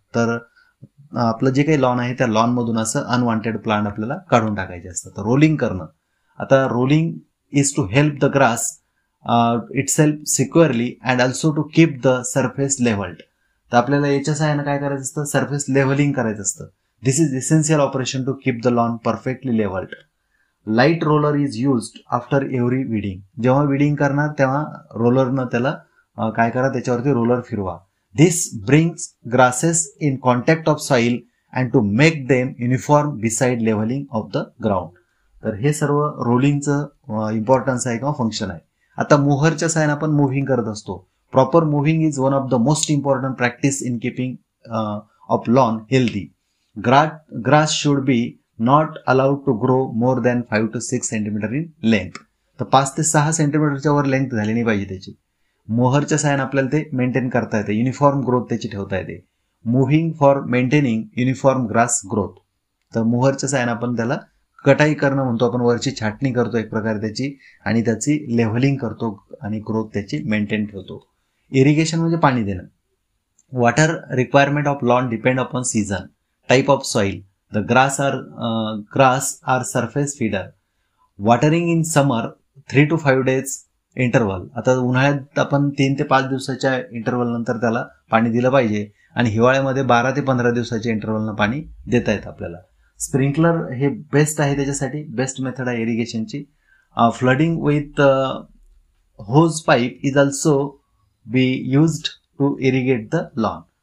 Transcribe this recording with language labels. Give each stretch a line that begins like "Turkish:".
Marathi: तर आपलं जे काही लॉन आहे त्या लॉनमधून असं अनवॉन्टेड प्लांट आपल्याला काढून टाकायचे असतं. तर रोलिंग करणं.
English: आता rolling is to help the grass itself securely and also to keep the surface levelled.
Marathi: तर आपल्याला याच्या सहाय्यानं काय करायचं असतं, सर्फेस लेव्हलिंग करायचं असतं.
English: This is essential operation to keep the lawn perfectly levelled. Light roller is used after every weeding.
Marathi: जेव्हा विडिंग करणार तेव्हा रोलरनं त्याला काय करा, त्याच्यावरती रोलर फिरवा.
English: This brings grasses in contact of soil and to make them uniform beside leveling of the ground.
Marathi: तर हे सर्व रोलिंगचं इम्पॉर्टन्स आहे किंवा फंक्शन आहे. आता मोहरच्या साहाय्याने आपण मूव्हिंग करत असतो,
English: Proper mowing is one of the most important practice in keeping of lawn healthy. Grass should be not allowed to grow more than 5 to 6 centimeter in length.
Marathi: तर 5 to 6 centimeterच्या वर लेंथ झाली नाही पाहिजे त्याची. मोहरच्या साहाय्याने आपल्याला ते मेंटेन करता येते, युनिफॉर्म ग्रोथ त्याची ठेवता येते.
English: Mowing for maintaining uniform grass growth.
Marathi: तर मोहरच्या साहाय्याने आपण त्याला कटाई करणं म्हणतो, आपण वरची छाटणी करतो एक प्रकारे त्याची, आणि त्याची लेव्हलिंग करतो आणि ग्रोथ त्याची मेंटेन ठेवतो. इरिगेशन म्हणजे पाणी देणं.
English: Water requirement of lawn depend upon season, type of soil. The grass are surface feeder. Watering in summer 3 to 5 days interval.
Marathi: आता उन्हाळ्यात आपण 3 to 5 दिवसाच्या इंटरवल नंतर त्याला पाणी दिलं पाहिजे, आणि हिवाळ्यामध्ये 12 to 15 दिवसाच्या इंटरवलनं पाणी देता येतं आपल्याला. स्प्रिंकलर हे बेस्ट आहे त्याच्यासाठी, बेस्ट मेथड आहे इरिगेशनची.
English: Flooding with hose pipe is also be used to irrigate the lawn.